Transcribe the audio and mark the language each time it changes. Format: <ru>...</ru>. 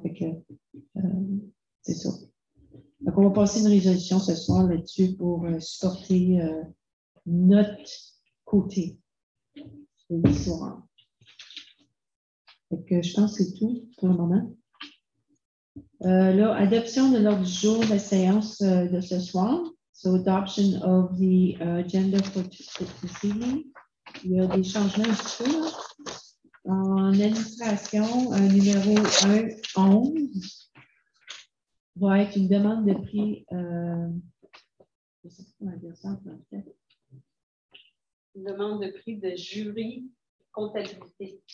<fr>Fait que, c'est ça. Donc, on va passer une résolution ce soir là-dessus pour supporter notre côté. Donc, je pense que c'est tout pour le moment. Adoption de l'ordre du jour de la séance de ce soir.</fr> <en>So, adoption of the agenda for this evening.</en> <fr>Il y a des changements du jour. En administration, numéro 1-11 va être une demande de prix. Je ne sais pas comment dire ça en français. Une demande de prix de jury comptabilité.</fr>